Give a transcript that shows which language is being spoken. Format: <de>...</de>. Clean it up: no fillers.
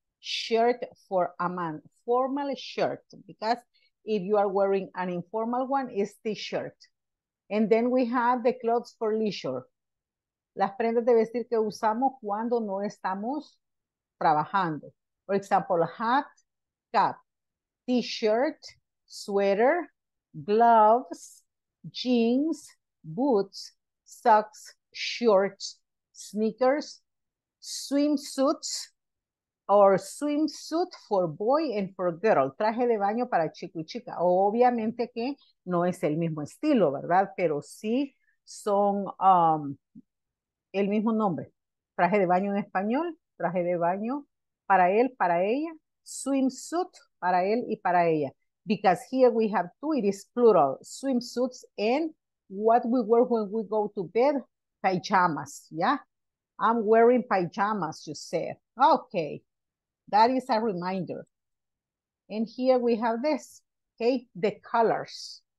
<en>Shirt for a man, formal shirt, because if you are wearing an informal one, it's t-shirt. And then we have the clothes for leisure.</en> <es>Las prendas de vestir que usamos cuando no estamos trabajando.</es> <en>For example, hat, cap, t-shirt, sweater, gloves, jeans, boots, socks, shorts, sneakers, swimsuits. Or swimsuit for boy and for girl,</en> <es>traje de baño para chico y chica. Obviamente que no es el mismo estilo, ¿verdad? Pero sí son el mismo nombre. Traje de baño en español, traje de baño para él, para ella, swimsuit para él y para ella.</es> <en>Because here we have two, it is plural, swimsuits and what we wear when we go to bed, pajamas, ¿ya? I'm wearing pajamas, you said. Okay. That is a reminder. And here we have this, okay? The colors.</en>